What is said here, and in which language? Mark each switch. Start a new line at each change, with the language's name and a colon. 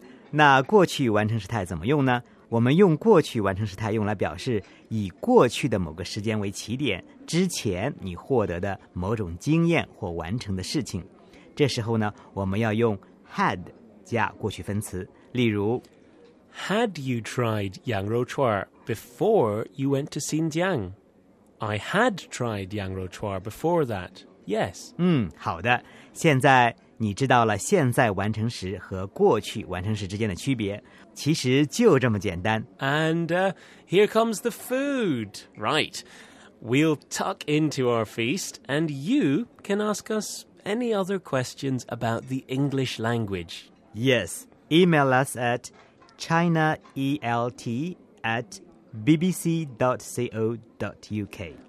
Chinese: 那过去完成时态怎么用呢?我们用过去完成时态用来表示以过去的某个时间为起点, 之前你获得的某种经验或完成的事情。这时候呢, 我们要用 had 加过去分词, 例如,
English: Had you tried 羊肉串 before you went to Xinjiang? I had tried 羊肉串 before that, yes.
Chinese: 好的, 现在, 你知道了现在完成时和过去完成时之间的区别, 其实就这么简单。
English: And here comes the food. Right, we'll tuck into our feast and you can ask us any other questions about the English language. Yes, email us at chinaelt@bbc.co.uk.